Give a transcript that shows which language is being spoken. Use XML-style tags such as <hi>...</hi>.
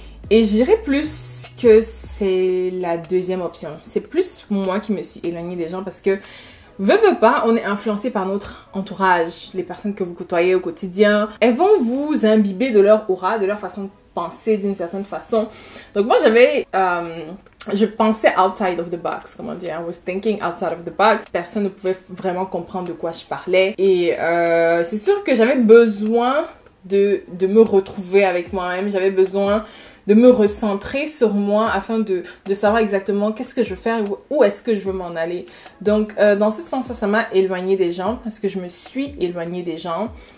<fr>Et je dirais plus que c'est la deuxième option. C'est plus moi qui me suis éloignée des gens parce que, veux pas, on est influencé par notre entourage. Les personnes que vous côtoyez au quotidien, elles vont vous imbiber de leur aura, de leur façon de penser d'une certaine façon. Donc moi, j'avais... je pensais</fr> <en>outside of the box,</en> <fr>comment dire.</fr> <en>I was thinking outside of the box.</en> <fr>Personne ne pouvait vraiment comprendre de quoi je parlais. Et c'est sûr que j'avais besoin de me retrouver avec moi-même. J'avais besoin de me recentrer sur moi afin de savoir exactement qu'est-ce que je veux faire, où est-ce que je veux m'en aller. Donc, dans ce sens-là, ça m'a éloignée des gens parce que je me suis éloignée des gens.</fr>